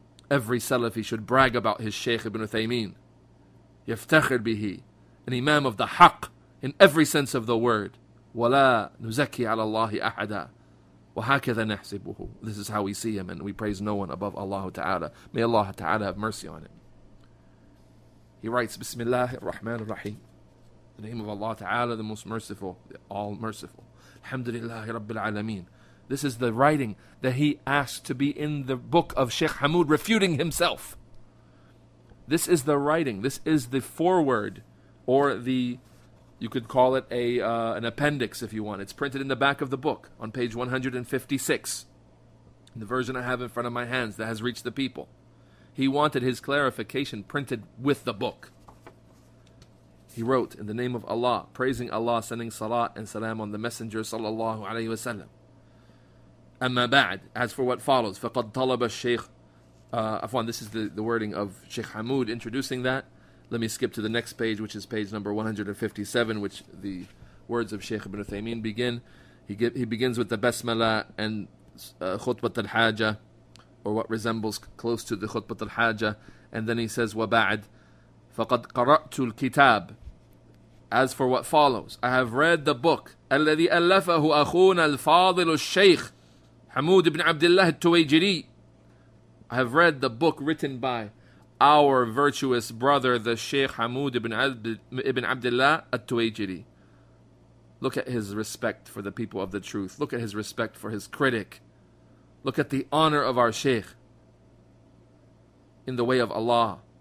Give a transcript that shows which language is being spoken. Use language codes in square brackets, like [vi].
[en] Every Salafi should brag about his Shaykh ibn Uthaymeen. [ar] Yaftakhir bihi, [en] an imam of the Haqq in every sense of the word. [ar] وَلَا نُزَكِّي عَلَى اللَّهِ أَحَدًا وَهَكَذَا نَحْسِبُهُ. [en] This is how we see him, and we praise no one above Allah Ta'ala. May Allah Ta'ala have mercy on him. He writes, بسم الله الرحمن الرحيم. The name of Allah Ta'ala, the most merciful, the all merciful. [ar] Alhamdulillahi Rabbil Alameen. [en] This is the writing that he asked to be in the book of Shaykh Hamood, refuting himself. This is the writing, this is the foreword, or the... You could call it an appendix if you want. It's printed in the back of the book on page 156. In the version I have in front of my hands that has reached the people. He wanted his clarification printed with the book. He wrote, in the name of Allah, praising Allah, sending salat and salam on the Messenger, sallallahu alayhi wa sallam. Amma ba'd, as for what follows, [ar] فَقَدْ طَلَبَ الشَّيْخُ [en] Afwan, this is the wording of Sheikh Hamood introducing that. Let me skip to the next page, which is page number 157, which the words of Shaykh Ibn Uthaymeen begin. He begins with the Basmala and Khutbat al-Hajjah, or what resembles close to the Khutbat al-Hajjah. And then he says, [ar] وَبَعَدْ فَقَدْ قَرَأْتُ الْكِتَابِ. [en] As for what follows, I have read the book, [ar] الَّذِي أَلَّفَهُ أَخُونَ الْفَاضِلُ الشَّيْخ حَمُودِ بْنِ عَبْدِ اللَّهِ التُوَيْجِرِي. [en] I have read the book written by our virtuous brother, the Shaykh Hamood ibn Abdullah at-Tuwayjiree. Look at his respect for the people of the truth. Look at his respect for his critic. Look at the honor of our Shaykh in the way of Allah.